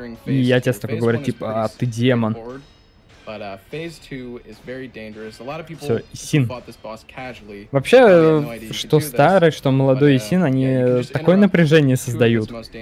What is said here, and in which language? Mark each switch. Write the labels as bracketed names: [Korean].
[Russian] И отец такой говорит, типа, а ты демон. [English] But phase 2 is very dangerous. A lot of people fought this boss casually. [Russian] Вообще, что старый, что молодой Исин, они такое напряжение создают.